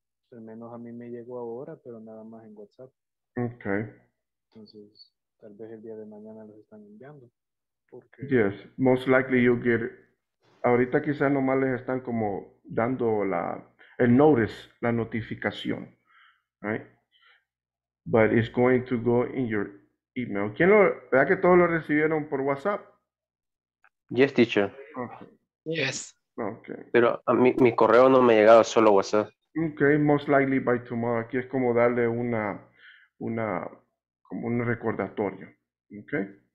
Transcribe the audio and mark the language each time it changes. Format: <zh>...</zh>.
<es>Al menos a mí me llegó ahora, pero nada más en WhatsApp. Okay. Entonces, tal vez el día de mañana los están enviando. Porque...</es> <en>Yes, most likely you get.</en> <es>Ahorita quizás nomás les están como dando el notice, la notificación.</es> <en>Right? But it's going to go in your email.</en> <es>¿Quién lo, verdad que todos lo recibieron por WhatsApp?</es> <en>Yes, teacher. Okay. Yes. Okay.</en> <es>Pero a mí, mi correo no me ha llegado, solo WhatsApp.</es> <en>Okay, most likely by tomorrow.</en> <es>Aquí es como darle una como un recordatorio. Okay.</es>